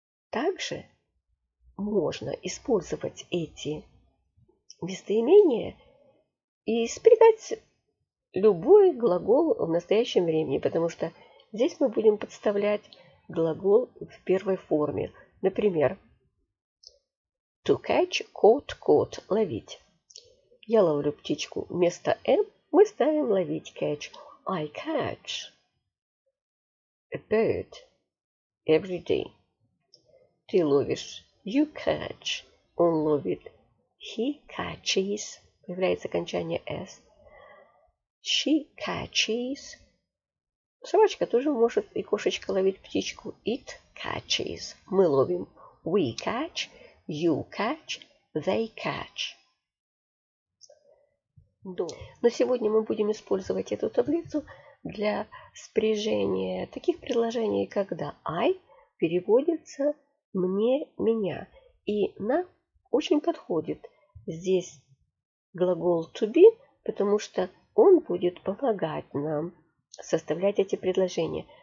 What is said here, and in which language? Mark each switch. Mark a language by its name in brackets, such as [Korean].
[Russian] Также можно использовать эти местоимения и спрягать любой глагол в настоящем времени, потому что здесь мы будем подставлять глагол в первой форме. Например, [English] to catch caught caught [Russian] – ловить. Я ловлю птичку. Вместо am мы ставим ловить [English] – catch. I catch a bird every day. [Russian] Ты ловишь. [English] You catch. [Russian] Он ловит. [English] He catches. [Russian] является окончание s. [English] She catches. [Russian] Собачка тоже может, и кошечка, ловить птичку. [English] It catches. [Russian] Мы ловим. [English] We catch, you catch, they catch. [Russian] Да. Но сегодня мы будем использовать эту таблицу для спряжения таких предложений, когда I переводится мне, меня. И нам очень подходит здесь глагол to be, потому что он будет помогать нам составлять эти предложения.